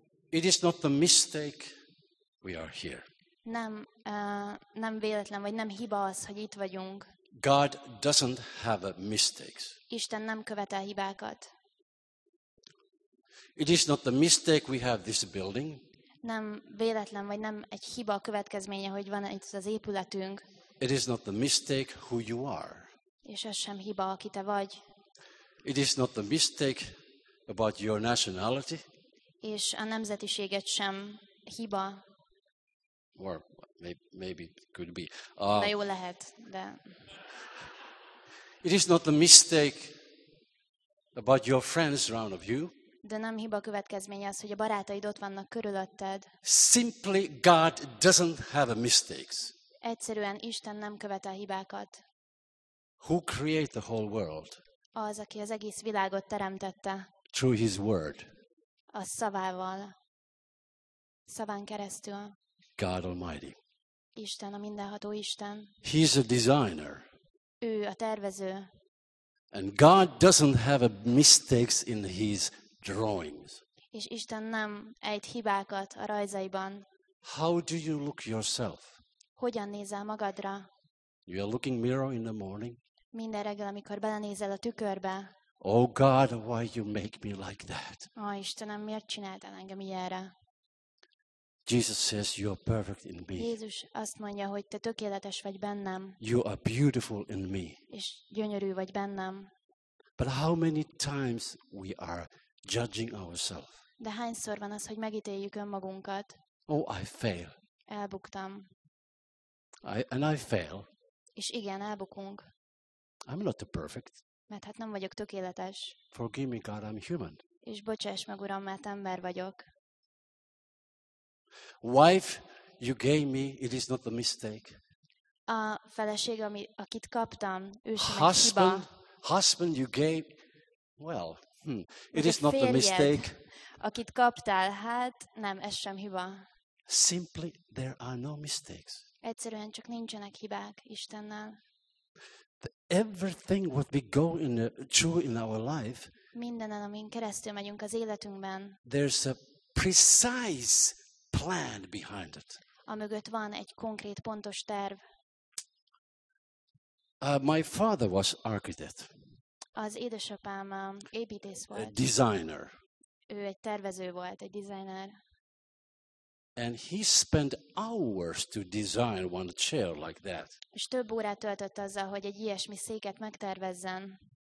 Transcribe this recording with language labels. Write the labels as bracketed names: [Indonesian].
[English] It is not a mistake we are here. [Hungarian] Nem véletlen, vagy nem hiba az, hogy itt vagyunk. [English] God doesn't have mistakes. [Hungarian] Isten nem követel hibákat. [English] It is not a mistake we have this building. [Hungarian] Nem véletlen, vagy nem egy hiba a következménye, hogy van itt az épületünk. [English] It is not the mistake who you are. [Hungarian] És ez sem hiba, aki te vagy. [English] It is not the mistake about your nationality. [Hungarian] És a nemzetiséged sem hiba. [English] Or maybe it could be. [Hungarian] De jó lehet, de. [English] It is not the mistake about your friends around of you. [Hungarian] De nem hiba következménye az, hogy a barátaid ott vannak körülötted. [English] Simply God doesn't have mistakes. [Hungarian] Egyszerűen Isten nem követel hibákat. [English] Who created the whole world? [Hungarian] Az, aki az egész világot teremtette. [English] Through his word. [Hungarian] A szavával. Szaván keresztül. [English] God Almighty. [Hungarian] Isten, a mindenható Isten. [English] He is a designer. [Hungarian] Ő a tervező. [English] And God doesn't have mistakes in his drawings. [Hungarian] És Isten nem ejt hibákat a rajzaiban. [English] How do you look yourself? [Hungarian] Hogyan nézel magadra? [English] You are looking mirror in the morning. [Hungarian] Minden reggel, amikor belenézel a tükörbe. [English] Oh God, why you make me like that? [Hungarian] Ó Istenem, miért csináltál engem ilyenre? [English] Jesus says you are perfect in me. [Hungarian] Jézus azt mondja, hogy te tökéletes vagy bennem. [English] You are beautiful in me. [Hungarian] És gyönyörű vagy bennem. [English] But how many times we are judging ourselves. [Hungarian] De hányszor van az, hogy megítéljük önmagunkat? [English] Oh, I fail. [Hungarian] Elbuktam. [English] And I fail. [Hungarian] És igen, elbukunk. [English] I'm not perfect. [Hungarian] Mert hát nem vagyok tökéletes. [English] Forgive me, God, I'm human. [Hungarian] És bocsáss meg, Uram, mert ember vagyok. [English] Wife, you gave me, it is not a mistake. [Hungarian] A feleség, akit kaptam, ő sem [English] husband, [Hungarian] egy hiba. [English] Husband, you gave, well, it is not a mistake. [Hungarian] Akit kaptál, hát nem, ez sem hiba. [English] Simply, there are no mistakes. [Hungarian] Egyszerűen csak nincsenek hibák Istennel. [English] Everything what we go in through in our life. [Hungarian] Mindenen, amin keresztül megyünk az életünkben. [English] There's a precise plan behind it. [Hungarian] Amögött van egy konkrét, pontos terv. [English] My father was architect. [Hungarian] Az édesapám építész volt. [English] A designer. [Hungarian] Ő egy tervező volt, egy designer. [English] And he spent hours to design one chair like that. [Hungarian] És több órát töltött azzal, hogy egy ilyesmi széket megtervezzen.